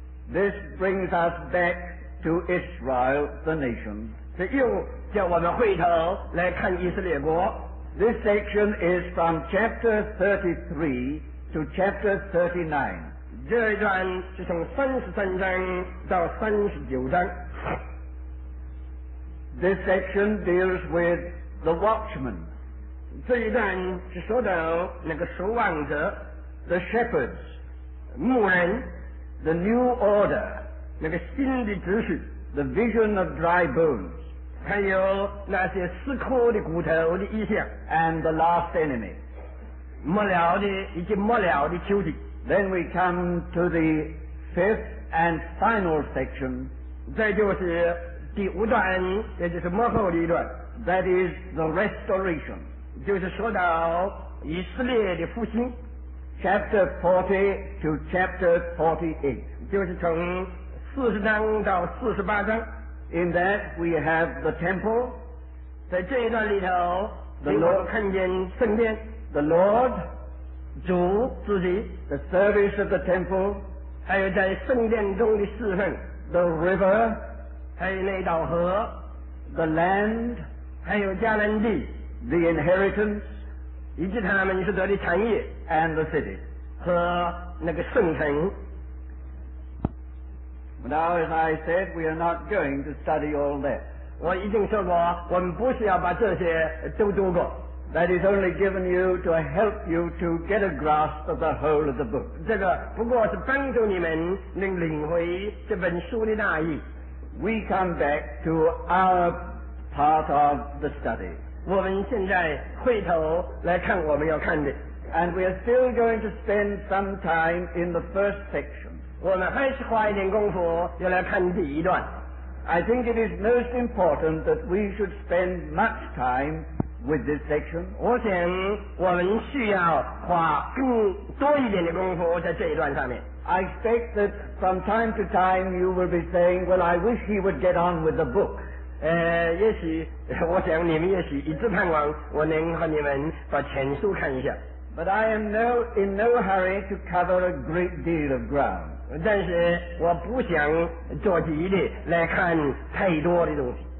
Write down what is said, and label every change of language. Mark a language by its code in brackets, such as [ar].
[en] This brings us back to Israel, the nation. [zh] 这又叫我们回头来看以色列国。 [en] This section is from chapter 33 to chapter 39. [zh] 这一段是从33章到39章。 [en] This section deals with the watchman. [zh] 这一段是说到那个守望者。 [en] The shepherds. [zh] 牧人。 [en] The new order, [zh] 那个新的秩序 [en] the vision of dry bones, [zh] 还有那些撕破的骨头的意象 [en] and the last enemy, [zh] 末了的以及末了的仇敌 [en] Then we come to the fifth and final section, [zh] 这就是第五段，也就是末后的一段 [en] That is the restoration, [zh] 就是说到以色列的复兴 [en] chapter 40 to chapter 48. [zh] 就是从四十章到四十八章。 [en] In that we have the temple. [zh] 在这一段里头，我们看见圣殿。 [en] The Lord, [zh] 主自己。 [en] The service of the temple. [zh] 还有在圣殿中的侍奉。 [en] The river, [zh] 还有那道河。 [en] The land, [zh] 还有迦南地。 [en] The inheritance. [zh] 以及他们所得的产业 [en] and the city [zh] 和那个圣城。 [en] Now, as I said, we are not going to study all that. [zh] 我已经说过，我们不需要把这些都读过。 [en] That is only given you to help you to get a grasp of the whole of the book. [zh] 这个不过是帮助你们能领会这本书的大意。 [en] We come back to our part of the study. [zh] 我们现在回头来看我们要看的 [en] and we are still going to spend some time in the first section [zh] 我们还是花一点功夫要来看第一段 [en] I think it is most important that we should spend much time with this section [zh] 我想我们需要花更多一点的功夫在这一段上面 [en] I expect that from time to time you will be saying well I wish he would get on with the book [zh] 也许我想你们也许一直盼望我能和你们把全书看一下 [en] But I am in no hurry to cover a great deal of ground [zh] 但是我不想着急地来看太多的东西